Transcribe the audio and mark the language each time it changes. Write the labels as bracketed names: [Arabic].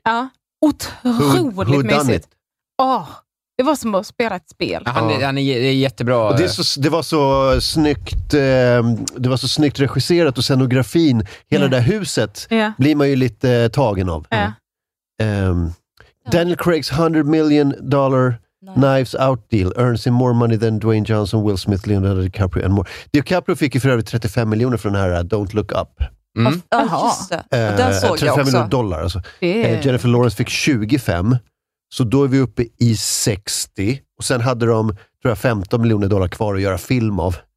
[Swedish] Ja, otroligt mysigt. [English] Who done it? [Swedish] Åh, Det var som att spela ett spel. Ja, han är jättebra. Och det var så snyggt regisserat och scenografin. Hela det där huset blir man ju lite tagen av. [English] Daniel Craig's $100 million Knives Out deal earns him more money than Dwayne Johnson, Will Smith, Leonardo DiCaprio and more. [Swedish] DiCaprio fick ju för över 35 miljoner från den här Don't Look Up. Jaha, den såg jag också. 35 miljoner dollar alltså. Jennifer Lawrence fick 25. Så då är vi uppe i 60. Och sen hade de, tror jag, $15 million kvar att göra film av.